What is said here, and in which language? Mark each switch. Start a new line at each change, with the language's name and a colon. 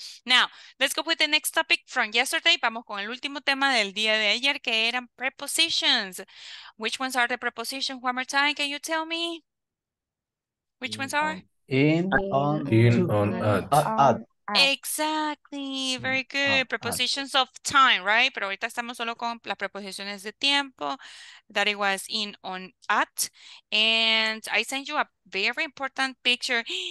English: Now, let's go with the next topic from yesterday.
Spanish: Vamos con el último tema del día de ayer, que eran prepositions.
English: Which ones are the prepositions? One more time, can you tell me? Which ones are? In, on, at. Exactly, very good. Prepositions of time, right?
Spanish: Pero ahorita estamos solo con las preposiciones de tiempo.
English: That it was in, on, at. And I sent you a very important picture.